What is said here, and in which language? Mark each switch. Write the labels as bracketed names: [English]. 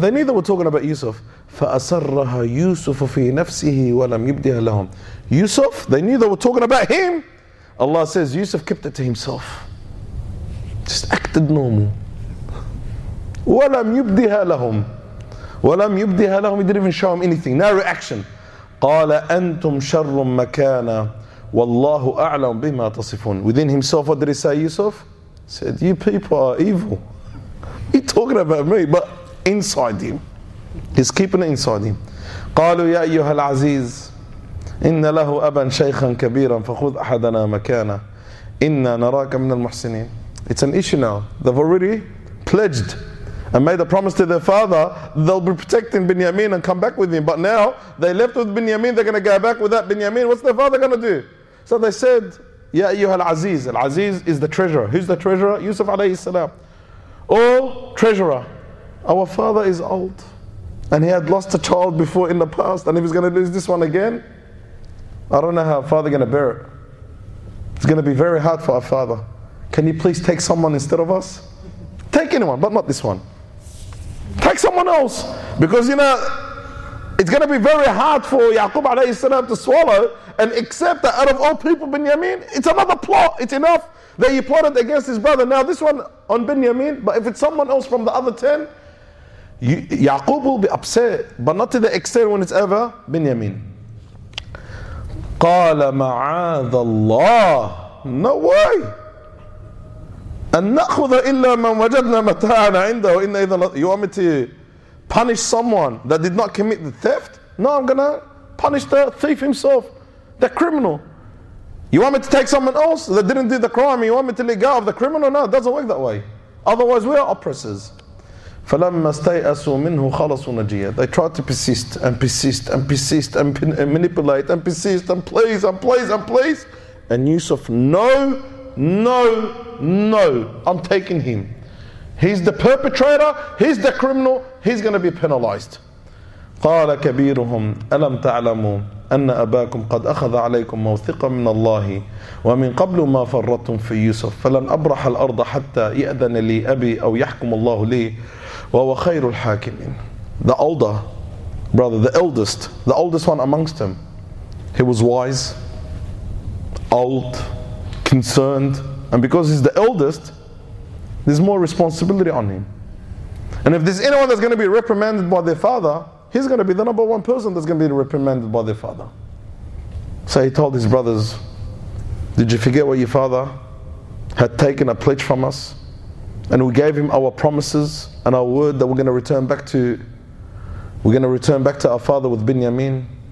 [English] They knew they were talking about Yusuf. [Arabic] فَأَسَرَّهَا يُوسُفُ فِي نَفْسِهِ وَلَمْ يُبْدِهَ لَهُمْ [English] Yusuf, they knew they were talking about him. Allah says, Yusuf kept it to himself. Just acted normal. [Arabic] وَلَمْ يُبْدِهَا لَهُمْ وَلَمْ يُبْدِهَا لَهُمْ [English] He didn't even show him anything. No reaction. [Arabic] قَالَ أَنْتُمْ شَرٌّ مَكَانَا وَاللَّهُ أَعْلَمْ بِمَا تَصِفُونَ [English] Within himself, what did he say, Yusuf? He said, you people are evil. He's talking about me, but inside him. He's keeping it inside him. [Arabic] قَالُوا يَا أَيُّهَا الْعَزِيزِ إِنَّ لَهُ أَبًا شَيْخًا كَبِيرًا فَخُذْ أَحَدَنَا مَكَانًا إِنَّا نَرَاكَ مِنَ الْمُحْسِنِينَ [English] It's an issue now. They've already pledged and made a promise to their father. They'll be protecting Binyamin and come back with him. But now, they left with Binyamin. They're going to go back without Binyamin. What's their father going to do? So they said, [Arabic] يَا أَيُّهَا الْعَزِيزِ [English] Al-Aziz is the treasurer. Who's the treasurer? Yusuf alayhi salam. Oh, treasurer, our father is old and he had lost a child before in the past, and if he's going to lose this one again, I don't know how our father is going to bear it. It's going to be very hard for our father. Can you please take someone instead of us? Take anyone, but not this one. Take someone else, because you know, it's going to be very hard for Yaqub alayhi salam to swallow and accept that out of all people, Binyamin, it's another plot, it's enough. That he plotted against his brother. Now this one on Binyamin, but if it's someone else from the other 10, Yaqub will be upset, but not to the extent when it's ever Binyamin. [Arabic] قَالَ مَعَاذَ اللَّهِ [English] No way! [Arabic] أَنَّأْخُذَ إِلَّا مَنْ وَجَدْنَا مَتَاعَنَا عِنْدَهُ إِنَّ إِذَا [English] You want me to punish someone that did not commit the theft? No, I'm gonna punish the thief himself, the criminal. You want me to take someone else that didn't do the crime? You want me to let go of the criminal? No, it doesn't work that way. Otherwise, we are oppressors. [Arabic] فَلَمَّا اسْتَيْأَسُوا مِنْهُ خَلَصُوا نَجِيَةً [English] They tried to persist and persist and persist and manipulate and persist and please and please and please. And Yusuf, no, no, no, I'm taking him. He's the perpetrator, he's the criminal, he's going to be penalized. [Arabic] قَالَ كَبِيرُهُمْ أَلَمْ تَعْلَمُوا أن أباكم قد أخذ عليكم موثقا من الله ومن قبل ما فرطتم في يوسف فلن أبرح الأرض حتى يأذن لي أبي أو يحكم الله لي وهو خير الحاكمين [English] The older brother, the oldest one amongst them, he was wise, old, concerned, and because he's the eldest, there's more responsibility on him. And if there's anyone that's going to be reprimanded by their father, he's going to be the number one person that's going to be reprimanded by their father. So he told his brothers, did you forget what your father had taken a pledge from us? And we gave him our promises and our word that we're going to return back to, we're going to return back to our father with Binyamin.